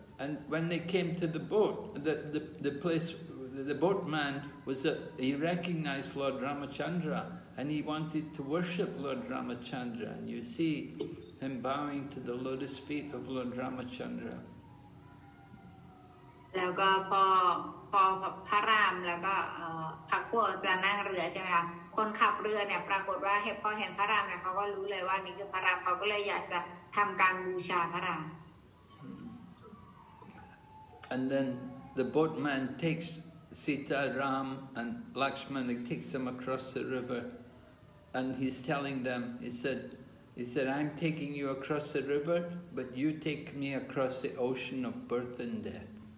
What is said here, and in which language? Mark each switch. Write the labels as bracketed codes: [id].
[en] And when they came to the boat, the boatman was he recognized Lord Ramachandra, and he wanted to worship Lord Ramachandra. And you see him bowing to the lotus feet of Lord Ramachandra. [th] แล้วก็พอพระรามแล้วก็พระพวกจะนั่งเรือใช่ไหมคะคนขับเรือเนี่ยปรากฏว่าพอเห็นพระรามเนี่ยเขาก็รู้เลยว่านี่คือพระรามเขาก็เลยอยากจะทำการบูชาพระราม [en] And then the boatman takes Sita, Ram, and Lakshman, he takes them across the river. And he's telling them, he said, I'm taking you across the river, but you take me across the ocean of birth and death.